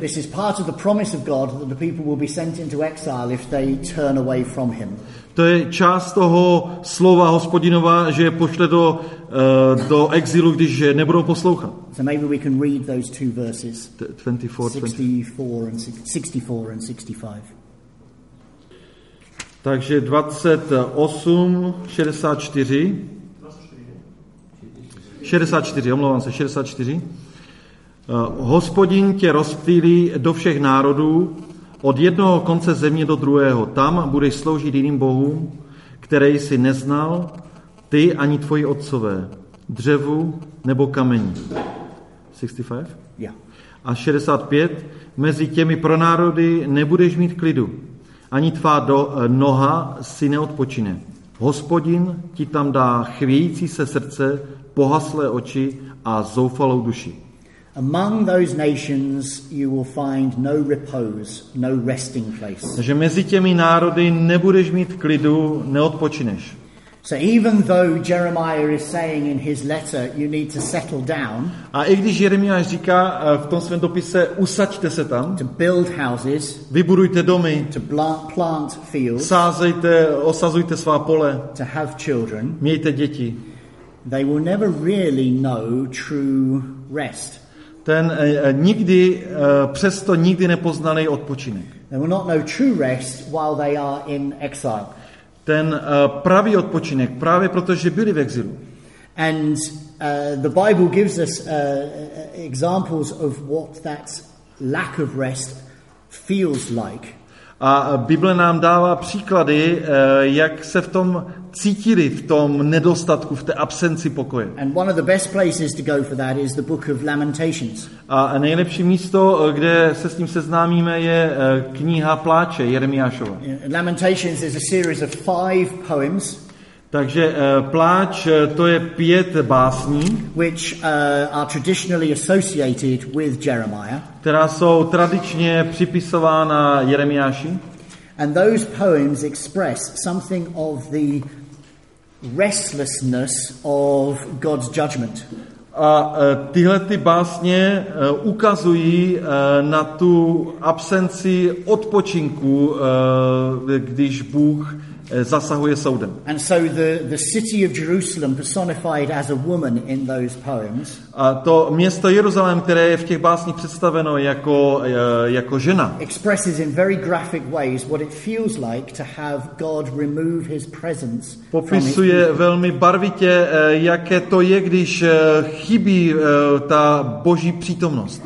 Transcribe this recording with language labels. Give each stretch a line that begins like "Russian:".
English: This is part of the promise of God that the people will be sent into exile if they turn away from him.
Czech: To je část toho slova Hospodinova, že je pošle do exilu, když je nebudou poslouchat.
English: So maybe we can read those two verses. 64 and 65.
Czech: Takže 28, 64. 64, omlouvám se, 64. Hospodin tě rozptýlí do všech národů, od jednoho konce země do druhého. Tam budeš sloužit jiným bohům, které jsi neznal, ty ani tvoji otcové, dřevu nebo kamení.
English: 65? Yeah.
Czech: A 65. Mezi těmi pronárody nebudeš mít klidu. Ani tvá noha si neodpočine. Hospodin ti tam dá chvějící se srdce, pohaslé oči a zoufalou duši.
English: Among those nations you will find no repose, no resting place.
Czech: Takže mezi těmi národy nebudeš mít klidu, neodpočineš.
English: So even though Jeremiah is saying in his letter you need to settle down.
Czech: A i když Jeremiáš říká v tom svém dopise usaďte se tam.
English: To build houses.
Czech: Vybudujte domy.
English: To plant fields.
Czech: Sázejte, osazujte svá pole.
English: To have children.
Czech: Mějte děti.
English: They will never really know true rest.
Czech: Ten nikdy přesto nikdy nepoznali odpočinek.
English: They will not know true rest while they are in exile.
Czech: Ten pravý odpočinek, právě protože byli v exilu.
English: And the Bible gives us examples of what that lack of rest feels like.
Czech: A Bible nám dává příklady, jak se v tom cítili, v tom nedostatku, v té absenci pokoje.
English: And one of the best places to go for that is the book of Lamentations.
Czech: A nejlepší místo, kde se s tím seznámíme, je kniha Pláče Jeremiášova.
English: Lamentations is a series of five poems.
Czech: Takže Pláč, to je pět básní,
English: which are traditionally associated with Jeremiah.
Czech: Která jsou tradičně připisována Jeremiáši.
English: And those poems express something of the restlessness of God's judgment.
Czech: A tyhle ty básně ukazují na tu absenci odpočinku, když Bůh zasahuje soudem.
English: And so the city of Jerusalem personified as a woman in those poems.
Czech: A to město Jeruzalém, které je v těch básních představeno jako jako žena.
English: Expresses in very graphic ways what it feels like to have God remove his presence.
Czech: Popisuje velmi barvitě, jaké to je, když chybí ta Boží přítomnost.